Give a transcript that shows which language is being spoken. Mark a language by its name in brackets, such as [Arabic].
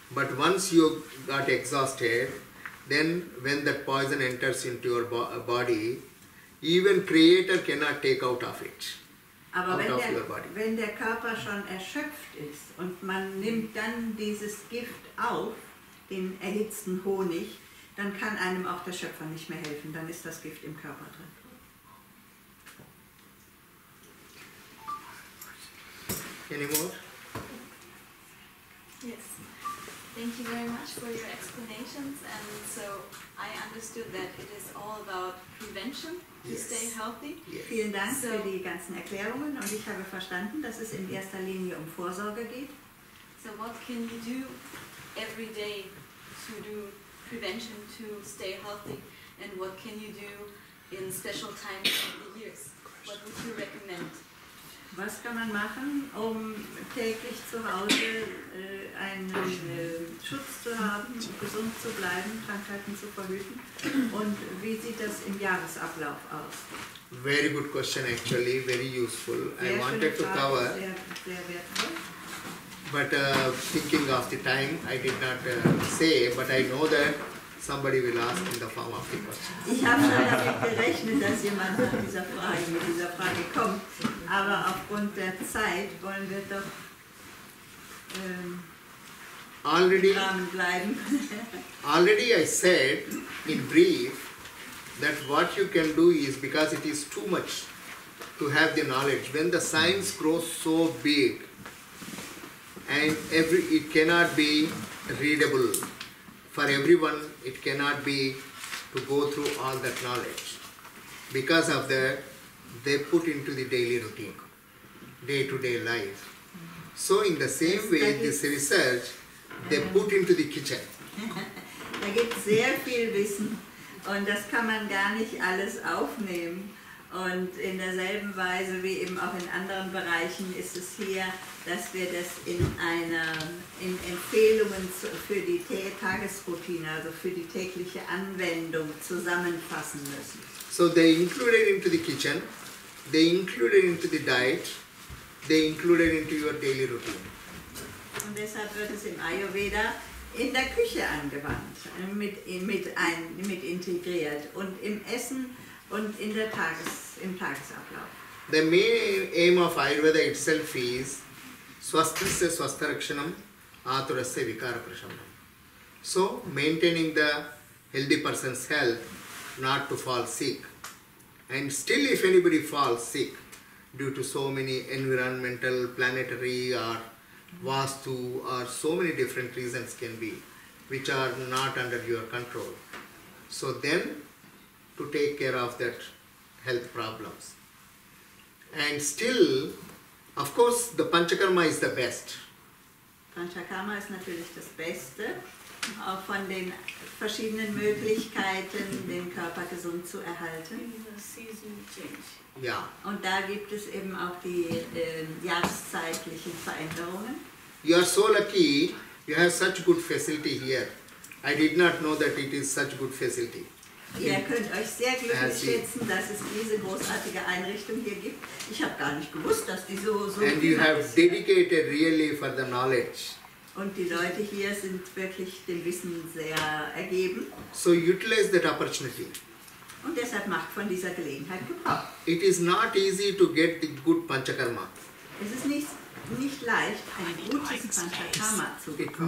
[English] But once you got exhausted, then when that poison enters into your body, even Creator cannot take out of it. [German] Aber [English] out of your body. [German] Wenn der Körper schon erschöpft ist und man nimmt dann dieses Gift auf, den erhitzten Honig, dann kann einem auch der Schöpfer nicht mehr helfen. Dann ist das Gift im Körper drin. [English] Any more? Yes, thank you very much for your explanations. And so I understood that it is all about prevention to stay healthy. Yes. [German] Vielen Dank für die ganzen Erklärungen. Und ich habe verstanden, dass es in erster Linie um Vorsorge geht. [English] So what can we do every day to do prevention to stay healthy? And what can you do in special times of the years? What would you recommend? [German] Was kann man machen, um täglich zu Hause einen Schutz zu haben, gesund zu bleiben, Krankheiten zu verhüten? Und wie sieht das im Jahresablauf aus? [English] Very good question actually, very useful. [German] Sehr [English] I wanted [German] Frage, [English] to cover, [German] sehr wertvoll. [English] But thinking of the time, I did not say, but I know that somebody will ask in the form of the question. [German] Ich habe schon damit gerechnet, dass jemand nach dieser Frage, mit dieser Frage kommt. Aber aufgrund der Zeit wollen wir doch [English] already, [German] im Rahmen bleiben. [English] Already I said in brief that what you can do is, because it is too much to have the knowledge, when the science grows so big and it cannot be readable for everyone, it cannot be to go through all that knowledge. Because of that, they put into the daily routine, day-to-day life. So in the same way, this research, they put into the kitchen. [German] Da gibt es sehr viel Wissen und das kann man gar nicht alles aufnehmen. Und in derselben Weise wie eben auch in anderen Bereichen ist es hier, dass wir das in Empfehlungen für die Tagesroutine, also für die tägliche Anwendung, zusammenfassen müssen. [English] So they included into the kitchen, they included into the diet, they included into your daily routine. [German] Und deshalb wird es im Ayurveda in der Küche angewandt, mit integriert und im Essen und in der im Tagesablauf. [English] The main aim of Ayurveda itself is [Sanskrit] swastrasya swastharakshanam aturasya vikara prashamanam. [English] So maintaining the healthy person's health, not to fall sick. And still if anybody falls sick, due to so many environmental, planetary, or vastu, or so many different reasons can be, which are not under your control. So then, to take care of that health problems. And still, of course, the Panchakarma is the best. [German] Panchakarma ist natürlich das Beste, auch von den verschiedenen Möglichkeiten, den Körper gesund zu erhalten. Ja. Und da gibt es eben auch die jahreszeitlichen Veränderungen. [English] You are so lucky, you have such good facility here. I did not know that it is such good facility. [German] Ihr könnt euch sehr glücklich schätzen, dass es diese großartige Einrichtung hier gibt. Ich habe gar nicht gewusst, dass die so gut ist. [English] And you have dedicated really for the knowledge. [German] Und die Leute hier sind wirklich dem Wissen sehr ergeben. [English] So utilize that opportunity. [German] Und deshalb macht von dieser Gelegenheit Gebrauch. [English] It is not easy to get the good Panchakarma. [German] Es ist nicht leicht, ein gutes Panchakarma zu bekommen.